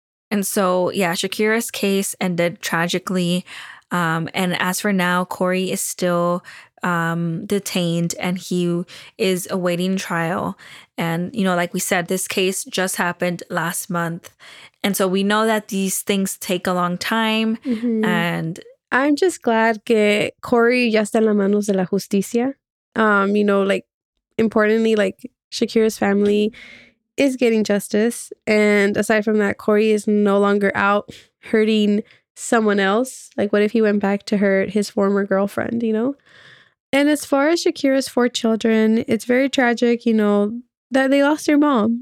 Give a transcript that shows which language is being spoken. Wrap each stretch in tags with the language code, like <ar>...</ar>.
<en>And so, yeah, Shakira's case ended tragically. And as for now, Corey is still detained and he is awaiting trial. And, you know, like we said, this case just happened last month. And so we know that these things take a long time. Mm-hmm. And I'm just glad</en> <es>que Corey ya está en las manos de la justicia.</es> <en>You know, like, importantly, like, Shakira's family is getting justice. And aside from that, Corey is no longer out hurting someone else. Like, what if he went back to hurt his former girlfriend, you know? And as far as Shakira's 4 children, it's very tragic, you know, that they lost their mom.</en>